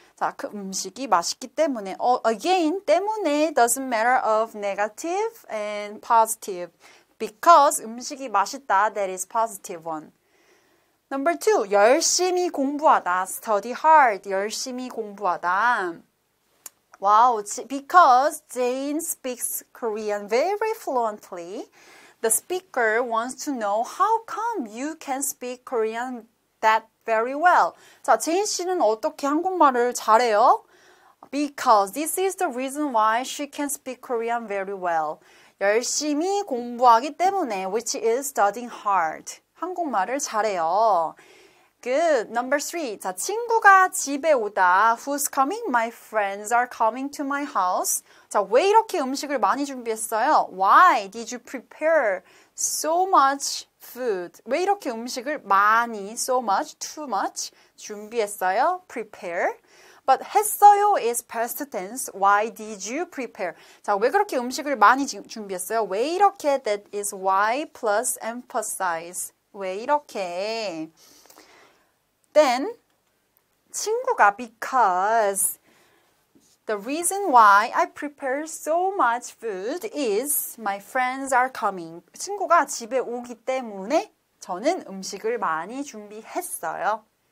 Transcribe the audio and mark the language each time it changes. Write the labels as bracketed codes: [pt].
[ko] 자, 그 음식이 맛있기 때문에. [en] Again, 때문에 doesn't matter of negative and positive. Because [ko] 음식이 맛있다, [en] that is positive one. Number two, [ko] 열심히 공부하다. [en] Study hard, [ko] 열심히 공부하다. [en] Wow, because Jane speaks Korean very fluently, the speaker wants to know how come you can speak Korean that very well. [ko] 자, 제인 씨는 어떻게 한국말을 잘해요? [en] Because this is the reason why she can speak Korean very well. [ko] 열심히 공부하기 때문에, [en] which is studying hard. [ko] 한국말을 잘해요. [en] Good. Number three. 자, [ko] 친구가 집에 오다. [en] Who's coming? My friends are coming to my house. [ko] 자, 왜 이렇게 음식을 많이 준비했어요? [en] Why did you prepare so much food? [ko] 왜 이렇게 음식을 많이, [en] so much, too much [ko] 준비했어요? Prepare. [en] But [ko] 했어요 [en] is past tense. Why did you prepare? [ko] 자, 왜 그렇게 음식을 많이 준비했어요? 왜 이렇게? [en] That is why plus emphasize. [ko] 왜 이렇게? [en] Then, [ko] 친구가 [en] because the reason why I prepare so much food is my friends are coming. [ko] 친구가 집에 오기 때문에 저는 음식을 많이 준비했어요.